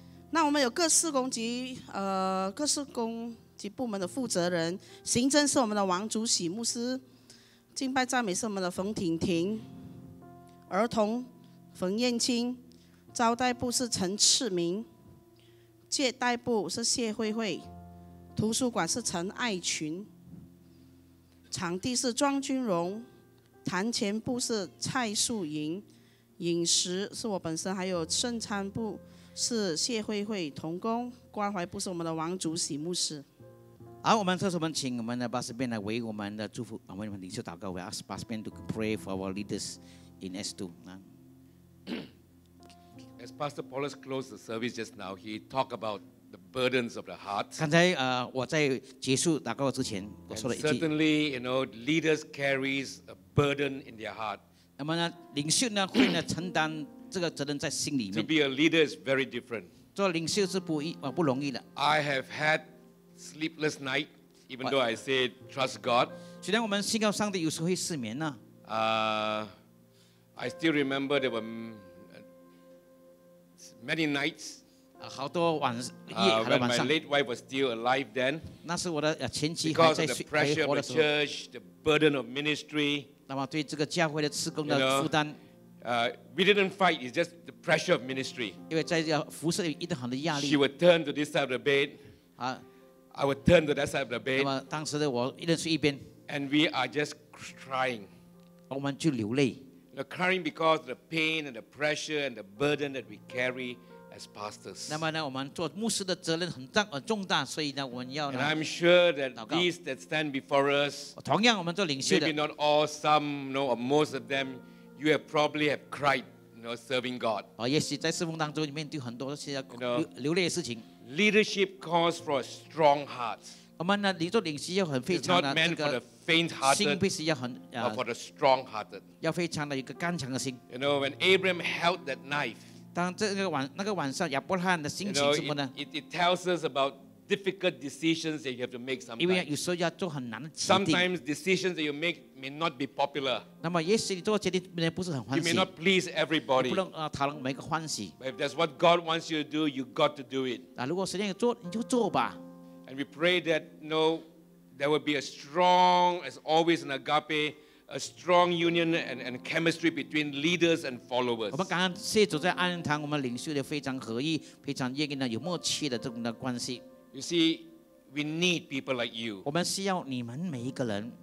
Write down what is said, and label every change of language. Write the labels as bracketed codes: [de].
[zh] 那我们有各事工及各事工及部门的负责人，行政是我们的王祖祥牧师，敬拜赞美是我们的冯婷婷，儿童冯燕青，招待部是陈赤明，借贷部是谢慧慧，图书馆是陈爱群，场地是庄君荣。坛前部是蔡素莹，饮食是我本身，还有圣餐部是谢慧慧同工，关怀部是我们的王祖喜牧师。好，我们特首们请我们的巴士边来为我们的祝福，我们领袖祷告。 [en] We ask Pastor to pray for our leaders in S2. As Pastor Paulus closed the service just now, he talked about the burdens of the heart. [zh] 刚才我在结束祷告之前，我说了一句。 [en] Certainly, you know, leaders carries a burden in their heart. [zh] 那么呢，领袖呢会呢承担这个责任在心里面。 [en] To be a leader is very different. [zh] 做领袖是不容易的。 [en] I have had sleepless night, even though I say trust God. [zh] 虽然我们信靠上帝，有时候会失眠呢。 [en] I still remember there were many nights. [zh] 好多晚夜， [en] when my late wife was still alive then. [zh] 那是我的前妻还在活的时候。 [en] Because of the pressure of the church, the burden of ministry. [zh] 那么对这个教会的事工的负担。 [en] We didn't fight. It's just the pressure of ministry. [zh] 因为在服侍有一定很的压力。 [en] She would turn to this side of the bed. I would turn to that side of the bed. [zh] 那么当时的我一人睡一边。 [en] And we are just crying. [zh] 我们就流泪。 [en] Crying because of the pain and the pressure and the burden that we carry as pastors. [zh] 那么呢，我们做牧师的责任很重很重大，所以呢，我们要。 [en] And I'm sure that these that stand before us. [zh] 同样，我们做领袖的。 [en] Maybe not all, some, no, or most of them, you have probably have cried, you know, serving God. [zh] 也许在侍奉当中，你面对很多这些流泪的事情。 [en] Leadership calls for a strong heart. [zh] 我们呢，你做领袖要很非常的这个。 [en] Faint-hearted, but for the strong-hearted. You know, when Abraham held that knife, [zh] 当这个晚那个晚上亚伯拉罕的心情怎么呢 [en] it tells us about difficult decisions that you have to make sometimes. [zh] 因为有时候要做很难的决定。 [en] Sometimes decisions that you make may not be popular. [zh] 那么也许你做决定不是很欢喜。 [en] You may not please everybody. [zh] 不能讨论每个欢喜。 [en] But if that's what God wants you to do, you got to do it. [zh] 如果神要做，你就做吧。 [en] And we pray that no. There will be a strong, as always in agape, a strong union and chemistry between leaders and followers. [zh] 我们刚刚谢主在安堂，我们领袖的非常合一，非常愿意呢有默契的这种的关系。 [en] You see, we need people like you. [zh] 我们需要你们每一个人。